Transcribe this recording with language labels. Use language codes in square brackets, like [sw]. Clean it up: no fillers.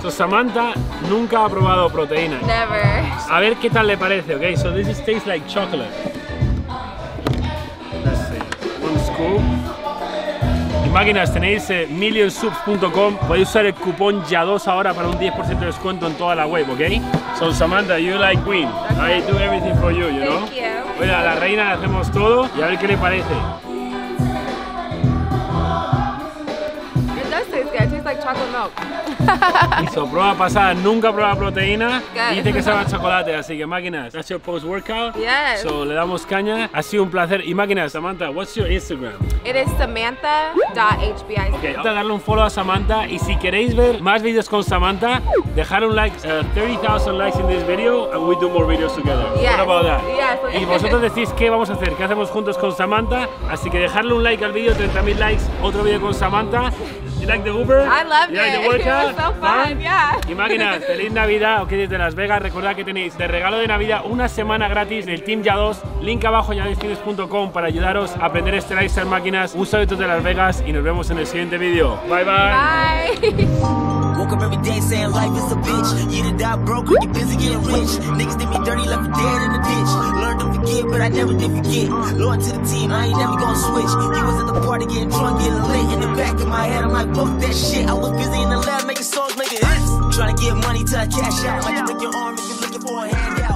[es] So, Samantha nunca ha probado proteína. [en] Never. [es] A ver qué tal le parece, ¿ok? [en] So this tastes like chocolate. Let's see. One scoop. [es] Máquinas, tenéis millionsubs.com. Podéis usar el cupón YA2 ahora para un 10% de descuento en toda la web, ¿ok? [en] So, Samantha, you like queen. Okay. I do everything for you, you Thank know? You. [es] Oye, a la reina le hacemos todo y a ver qué le parece. [en] It does taste good. It tastes like chocolate milk. [es] Hizo prueba pasada, nunca prueba proteína. [en] Good. [es] Dice que sabe chocolate, así que máquinas. [en] That's your post workout. Yes. [es] So le damos caña. Ha sido un placer. Y máquinas, Samantha, [en] what's your Instagram? It is samantha.hbic. [es] Okay, ahorita darle un follow a Samantha. Y si queréis ver más videos con Samantha, dejar un like. [en] 30,000 likes in this video, and we do more videos together. Yes. What about that? Yes. [es] Y vosotros decís qué vamos a hacer, qué hacemos juntos con Samantha. Así que dejarle un like al video, 30,000 likes, otro video con Samantha. [en] You like the Uber? I loved you it. Like the workout? It was so fun, yeah. [es] Imaginas, feliz Navidad, ok, desde Las Vegas. Recordad que tenéis de regalo de Navidad una semana gratis del Team YA2. Link abajo en yadoscines.com para ayudaros a aprender este lifestyle, máquinas. Un saludo de Las Vegas y nos vemos en el siguiente vídeo. [en] Bye, bye. Bye. Woke up every day saying life is a bitch. You to die broke or you're busy getting rich. Niggas did me dirty, left me dead in the ditch. Learned to forget, but I never did forget. Loyal to the team, I ain't never gonna switch. You was at the party getting drunk, getting lit. In the back of my head, I'm like, fuck that shit. I was busy in the lab, making songs, making hits. Trying to get money till I cash out. Like you break your arm if you're looking for a handout.